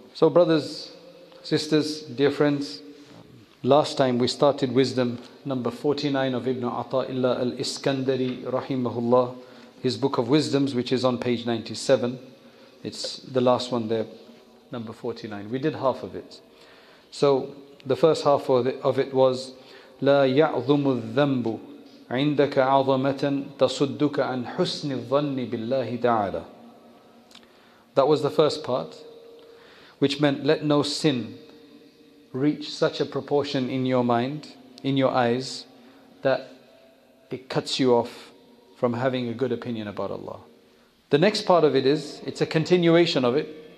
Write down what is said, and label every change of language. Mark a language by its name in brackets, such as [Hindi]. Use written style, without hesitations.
[English] So brothers, sisters, dear friends, last time we started wisdom number 49 of Ibn Ata'illah al-Iskandari rahimahullah, his book of wisdoms, which is on page 97. It's the last one there, number 49. We did half of it. So the first half of it was, [Arabic] لا يعظم الذنب عندك عظمة تصدك عن حسن الظن بالله تعالى. [English] That was the first part, which meant let no sin reach such a proportion in your mind, in your eyes, that it cuts you off from having a good opinion about Allah. The next part of it is, it's a continuation of it.